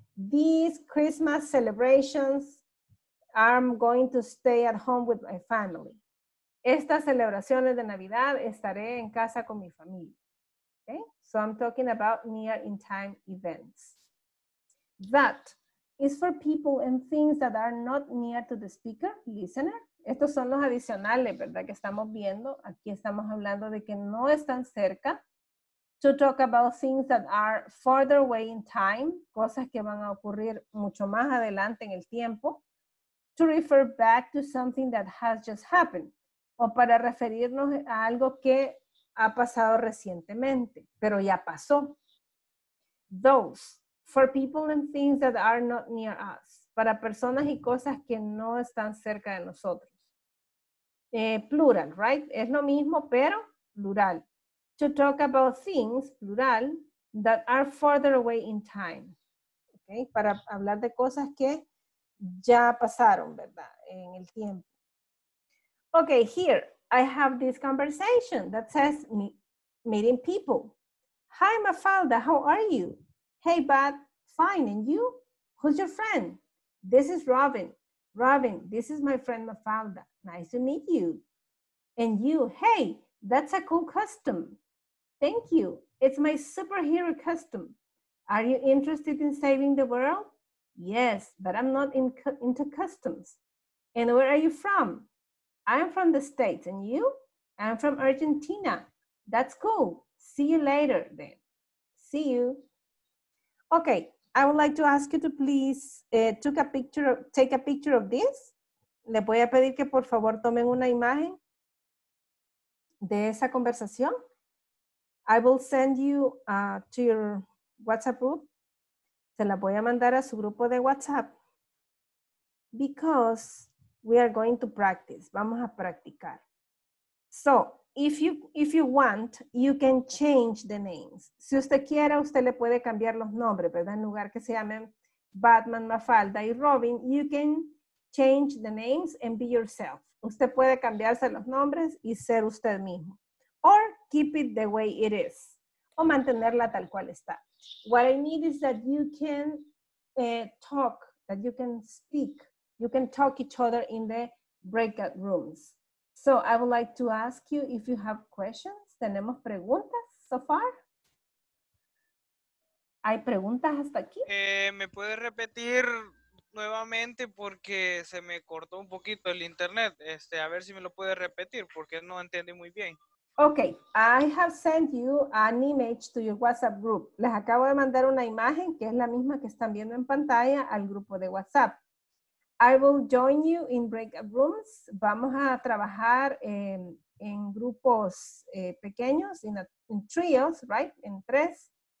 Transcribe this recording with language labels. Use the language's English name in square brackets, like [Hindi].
[English] These Christmas celebrations, I'm going to stay at home with my family. [Spanish] Estas celebraciones de Navidad, estaré en casa con mi familia, okay? [English] So I'm talking about near in time events. That is for people and things that are not near to the speaker, listener. [Spanish] Estos son los adicionales, ¿verdad? Que estamos viendo. Aquí estamos hablando de que no están cerca. [English] To talk about things that are further away in time. [Spanish] Cosas que van a ocurrir mucho más adelante en el tiempo. [English] To refer back to something that has just happened. [Spanish] O para referirnos a algo que ha pasado recientemente, pero ya pasó. [English] Those. For people and things that are not near us. [Spanish] Para personas y cosas que no están cerca de nosotros. [English] Plural, right? [Spanish] Es lo mismo, pero plural. [English] To talk about things, plural, that are further away in time. Okay? [Spanish] Para hablar de cosas que ya pasaron, ¿verdad? En el tiempo. [English] Okay, here, I have this conversation that says meeting people. Hi, Mafalda, how are you? Hey, Bud, fine, and you? Who's your friend? This is Robin. Robin, this is my friend Mafalda. Nice to meet you. And you, hey, that's a cool custom. Thank you. It's my superhero custom. Are you interested in saving the world? Yes, but I'm not into customs. And where are you from? I'm from the States. And you? I'm from Argentina. That's cool. See you later then. See you. Okay. I would like to ask you to please take a picture of this. [Spanish] Le voy a pedir que por favor tomen una imagen de esa conversación. [English] I will send you to your WhatsApp group. [Spanish] Se la voy a mandar a su grupo de WhatsApp. [English] Because we are going to practice. [Spanish] Vamos a practicar. [English] So, if you want, you can change the names. [Spanish] Si usted quiera, usted le puede cambiar los nombres, ¿verdad? En lugar que se llamen Batman, Mafalda y Robin, [English] you can change the names and be yourself. [Spanish] Usted puede cambiarse los nombres y ser usted mismo. [English] Or keep it the way it is. [Spanish] O mantenerla tal cual está. [English] What I need is that you can talk, that you can speak You can talk each other in the breakout rooms. So I would like to ask you if you have questions. [Spanish] ¿Tenemos preguntas [English] so far? [Spanish] ¿Hay preguntas hasta aquí? ¿Me puede repetir nuevamente porque se me cortó un poquito el internet? A ver si me lo puede repetir porque no entendí muy bien. [English] Okay, I have sent you an image to your WhatsApp group. [Spanish] Les acabo de mandar una imagen que es la misma que están viendo en pantalla al grupo de WhatsApp. [English] I will join you in breakout rooms. [Spanish] Vamos a trabajar en grupos pequeños, [English] in trios, right? [Spanish] En tres.